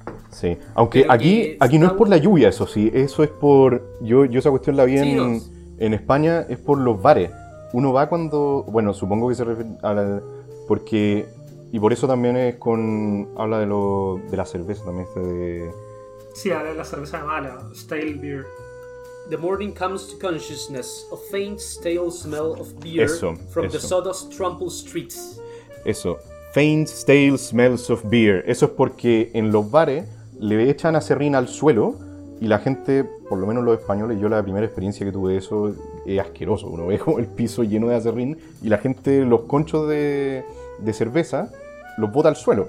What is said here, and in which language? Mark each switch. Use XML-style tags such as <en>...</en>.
<es>Sí, aunque aquí no es por la lluvia, eso sí, eso es por... Yo esa cuestión la vi en España, es por los bares. Uno va cuando... Bueno, supongo que se refiere a la... Porque... Y por eso también es con... Habla de la cerveza también, este de... Sí, habla de la cerveza de mala,</es> <en>stale beer. The morning comes to consciousness, a faint stale smell of beer from the sawdust trampled streets.</en> <es>Eso.</es> <en>Faint stale smells of beer.</en> <es>Eso es porque en los bares le echan aserrín al suelo y la gente, por lo menos los españoles, yo la primera experiencia que tuve de eso es asqueroso. Uno ve el piso lleno de aserrín y la gente, los conchos de cerveza, los bota al suelo.</es>